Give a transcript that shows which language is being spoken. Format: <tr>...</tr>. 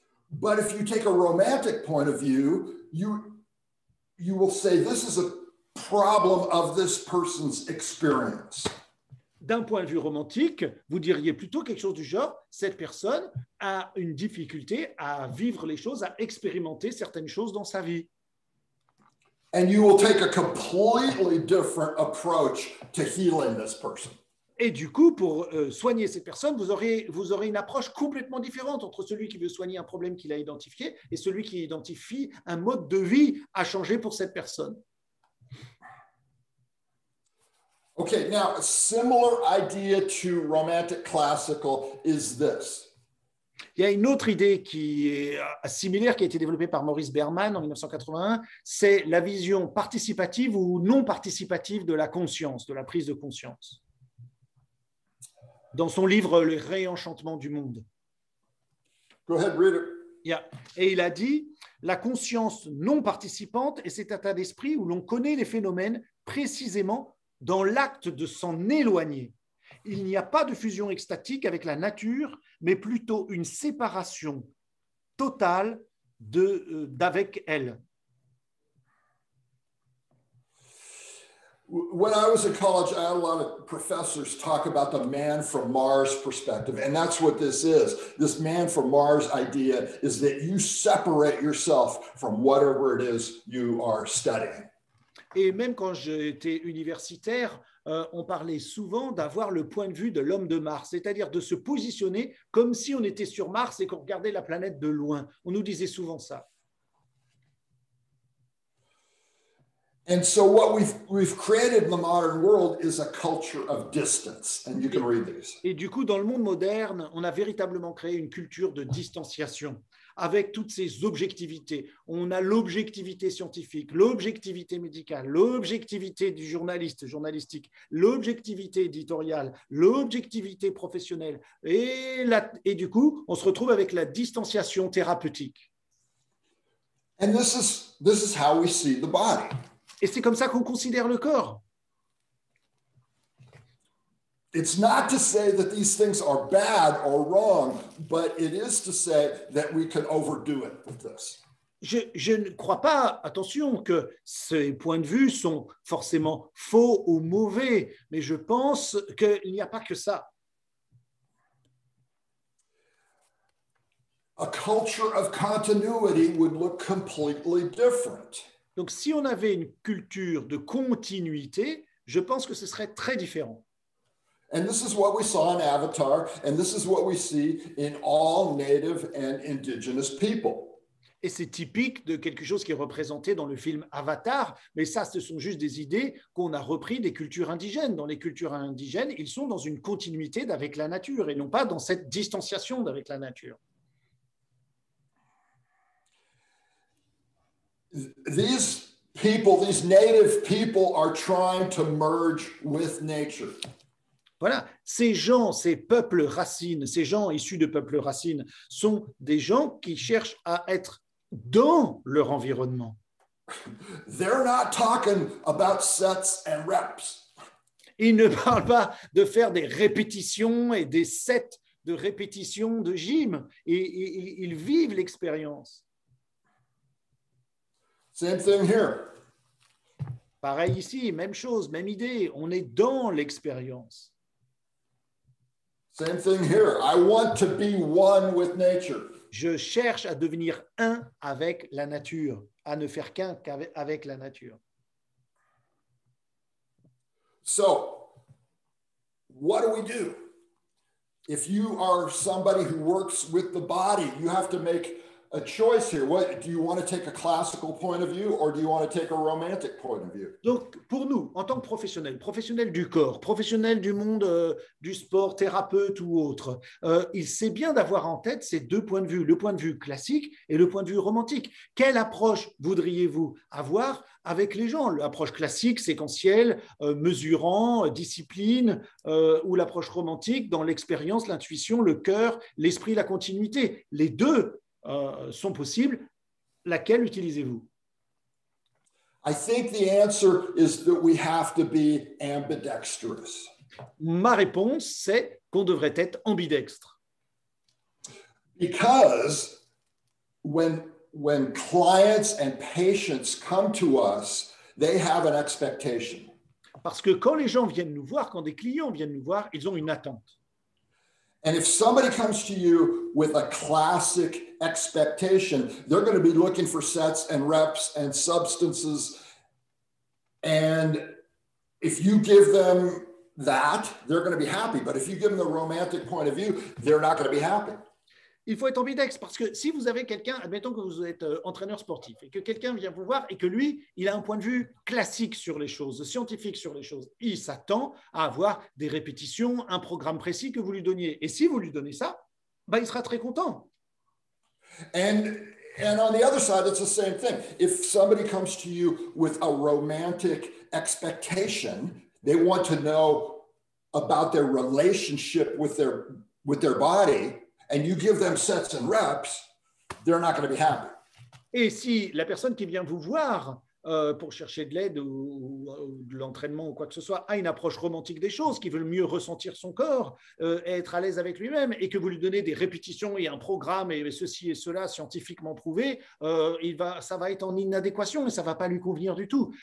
<en>But if you take a romantic point of view, you will say this is a problem of this person's experience.</en> <fr>D'un point de vue romantique, vous diriez plutôt quelque chose du genre, cette personne a une difficulté à vivre les choses, à expérimenter certaines choses dans sa vie.</fr> <en>And you will take a completely different approach to healing this person.</en> <fr>Et du coup, pour soigner cette personne, vous aurez une approche complètement différente entre celui qui veut soigner un problème qu'il a identifié et celui qui identifie un mode de vie à changer pour cette personne.</fr> <en>Okay, now, a similar idea to romantic classical is this.</en> <fr>Il y a une autre idée qui est similaire, qui a été développée par Maurice Berman en 1981, c'est la vision participative ou non participative de la conscience, de la prise de conscience. Dans son livre « Le réenchantement du monde ».</fr> <en>Go ahead, read it. Yeah.</en> <fr>Et il a dit « La conscience non participante est cet état d'esprit où l'on connaît les phénomènes précisément dans l'acte de s'en éloigner. Il n'y a pas de fusion extatique avec la nature, mais plutôt une séparation totale d'avec elle. »</fr> <en>When I was in college, I had a lot of professors talk about the man from Mars perspective, and that's what this is. This man from Mars idea is that you separate yourself from whatever it is you are studying.</en> <fr>Et même quand j'étais universitaire, on parlait souvent d'avoir le point de vue de l'homme de Mars, c'est-à-dire de se positionner comme si on était sur Mars et qu'on regardait la planète de loin. On nous disait souvent ça.</fr> <en>And so what we've created in the modern world is a culture of distance. And you can read these.</en> <fr>Et du coup, dans le monde moderne, on a véritablement créé une culture de distanciation avec toutes ces objectivités. On a l'objectivité scientifique, l'objectivité médicale, l'objectivité du journaliste journalistique, l'objectivité éditoriale, l'objectivité professionnelle. Et du coup, on se retrouve avec la distanciation thérapeutique.</fr> <en>And this is how we see the body.</en> <fr>Et c'est comme ça qu'on considère le corps.</fr> <en>It's not to say that these things are bad or wrong, but it is to say that we can overdo it with this.</en> <fr>Je ne crois pas, attention, que ces points de vue sont forcément faux ou mauvais, mais je pense qu'il n'y a pas que ça.</fr> <en>A culture of continuity would look completely different.</en> <fr>Donc, si on avait une culture de continuité, je pense que ce serait très différent.</fr> <en>And this is what we saw in Avatar, and this is what we see in all Native and Indigenous people.</en> <fr>Et c'est typique de quelque chose qui est représenté dans le film Avatar, mais ça, ce sont juste des idées qu'on a reprises des cultures indigènes. Dans les cultures indigènes, ils sont dans une continuité avec la nature et non pas dans cette distanciation avec la nature.</fr> <en>These people, these native people are trying to merge with nature.</en> <fr>Voilà, ces gens, ces peuples racines, ces gens issus de peuples racines sont des gens qui cherchent à être dans leur environnement.</fr> <en>They're not talking about sets and reps.</en> <fr>Ils ne parlent pas de faire des répétitions et des sets de répétitions de gym. Ils vivent l'expérience.</fr> <en>Same thing here.</en> <fr>Pareil ici, même chose, même idée. On est dans l'expérience.</fr> <en>Same thing here. I want to be one with nature.</en> <fr>Je cherche à devenir un avec la nature, à ne faire qu'un qu'avec la nature.</fr> <en>So, what do we do? If you are somebody who works with the body, you have to make a choice here. What do you want to take a classical point of view or do you want to take a romantic point of view?</en> <fr>Donc pour nous, en tant que professionnels, professionnels du corps, professionnels du monde du sport, thérapeute ou autre, il sait bien d'avoir en tête ces deux points de vue, le point de vue classique et le point de vue romantique. Quelle approche voudriez-vous avoir avec les gens? L'approche classique, séquentielle, mesurant, discipline, ou l'approche romantique dans l'expérience, l'intuition, le cœur, l'esprit, la continuité. Les deux sont possibles, laquelle utilisez-vous?</fr> <en>I think the answer is that we have to be ambidextrous.</en> <fr>Ma réponse, c'est qu'on devrait être ambidextre.</fr> <en>Because when clients and patients come to us, they have an expectation.</en> <fr>Parce que quand les gens viennent nous voir, quand des clients viennent nous voir, ils ont une attente.</fr> <en>And if somebody comes to you with a classic expectation, they're going to be looking for sets and reps and substances. And if you give them that, they're going to be happy. But if you give them the romantic point of view, they're not going to be happy.</en> <fr>Il faut être ambidextre parce que si vous avez quelqu'un, admettons que vous êtes entraîneur sportif et que quelqu'un vient vous voir et que lui, il a un point de vue classique sur les choses, scientifique sur les choses, il s'attend à avoir des répétitions, un programme précis que vous lui donniez. Et si vous lui donnez ça, bah, il sera très content.</fr> <en>And on the other side, it's the same thing. If somebody comes to you with a romantic expectation, they want to know about their relationship with their body. And you give them sets and reps, they're not going to be happy.</en> <fr>Et si la personne qui vient vous voir pour chercher de l'aide ou de l'entraînement ou quoi que ce soit a une approche romantique des choses, qui veut mieux ressentir son corps, être à l'aise avec lui-même, et que vous lui donnez des répétitions et un programme et ceci et cela scientifiquement prouvé, ça va être en inadéquation et ça va pas lui convenir du tout.</fr>